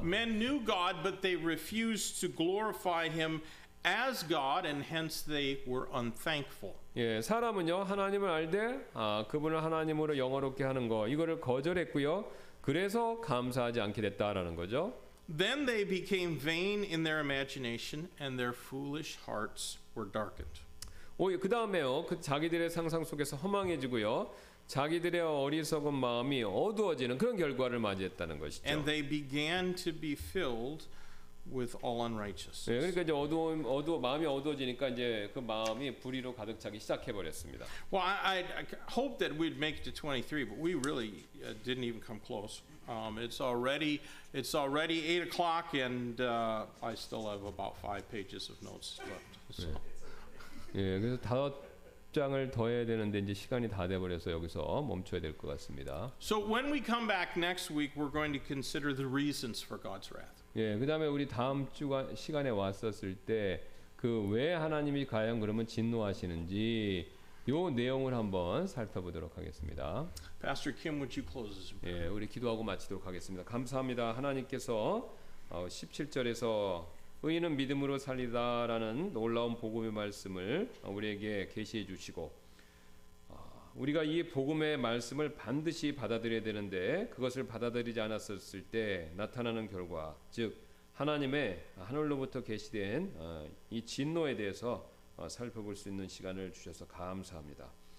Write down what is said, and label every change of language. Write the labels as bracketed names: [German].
[English] Men knew God, but they refused to glorify Him as God, and hence they were unthankful. [Korean] 예, 사람은요 하나님을 알되 그분을 하나님으로 영화롭게 하는 거 이거를 거절했고요. 그래서 감사하지 않게 됐다라는 거죠. [English] Then they became vain in their imagination, and their foolish hearts were darkened. [Korean] 그 다음에요, 그 자기들의 상상 속에서 허망해지고요, 자기들의 어리석은 마음이 어두워지는 그런 결과를 맞이했다는 것이죠. [English] And they began to be filled with all unrighteousness. [Korean] 예, 그러니까 이제 마음이 어두워지니까 이제 그 마음이 불의로 가득 차기 시작해 버렸습니다. [English] Well, I hope that we'd make it to 23, but we really didn't even come close. It's already 8 o'clock, and I still have about 5 pages of notes left. So. [Korean] 예. 예, 그래서 다섯 장을 더 해야 되는데 이제 시간이 다 돼 버려서 여기서 멈춰야 될 것 같습니다. [English] So when we come back next week, we're going to consider the reasons for God's wrath. [Korean] 예, 그다음에 우리 다음 주가 시간에 왔었을 때 그 왜 하나님이 과연 그러면 진노하시는지 요 내용을 한번 살펴보도록 하겠습니다. [English] Pastor Kim, would you close us? [Korean] 예, 우리 기도하고 마치도록 하겠습니다. 감사합니다. 하나님께서 17절에서 의인은 믿음으로 살리다라는 놀라운 복음의 말씀을 우리에게 계시해 주시고 우리가 이 복음의 말씀을 반드시 받아들여야 되는데 그것을 받아들이지 않았었을 때 나타나는 결과 즉 하나님의 하늘로부터 계시된 이 진노에 대해서 살펴볼 수 있는 시간을 주셔서 감사합니다.